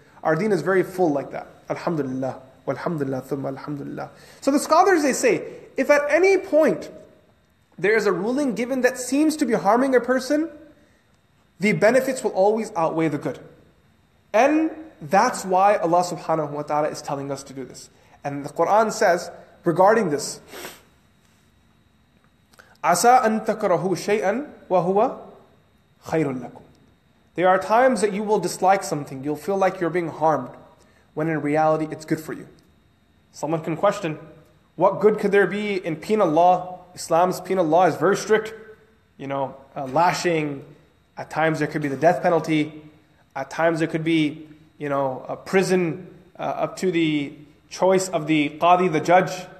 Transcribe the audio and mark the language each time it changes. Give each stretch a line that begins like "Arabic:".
English: Our deen is very full like that. Alhamdulillah, walhamdulillah, thumma alhamdulillah. So the scholars, they say, if at any point there is a ruling given that seems to be harming a person, the benefits will always outweigh the good. And that's why Allah subhanahu wa ta'ala is telling us to do this.
Arabic: And the Quran says, regarding this, عَسَىٰ أَن تَكْرَهُ شَيْئًا وَهُوَ خَيْرٌ لَكُمْ.
English: There are times that you will dislike something. You'll feel like you're being harmed, when in reality, it's good for you. Someone can question, what good could there be in penal law? Islam's penal law is very strict. You know, lashing. At times, there could be the death penalty. At times, there could be, you know, a prison up to the choice of the qadi, the judge.